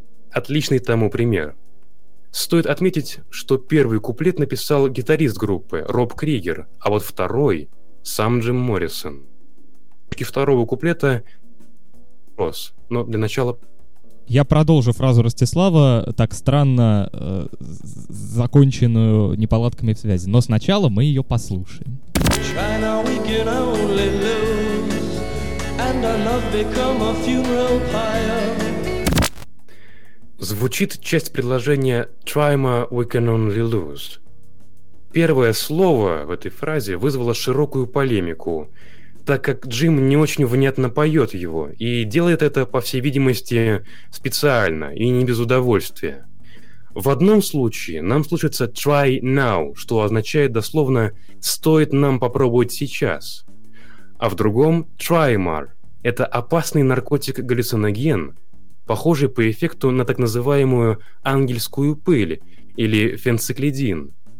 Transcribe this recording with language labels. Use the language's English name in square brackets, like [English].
[Russian] отличный тому пример. Стоит отметить, что первый куплет написал гитарист группы Роб Кригер, а вот второй — сам Джим Моррисон. И второго куплета — вопрос, но для начала... Я продолжу фразу Ростислава, так странно законченную неполадками в связи, но сначала мы ее послушаем. [English] China, we can only lose, and our love become a funeral pyre. [Russian] Звучит часть предложения [English] «Trima, we can only lose». [Russian] Первое слово в этой фразе вызвало широкую полемику, так как Джим не очень внятно поет его и делает это, по всей видимости, специально и не без удовольствия. В одном случае нам слышится [English] «try now», [Russian] что означает дословно «стоит нам попробовать сейчас», а в другом «trimar» — это опасный наркотик-галлюциноген, похожий по эффекту на так называемую ангельскую пыль или фенциклидин.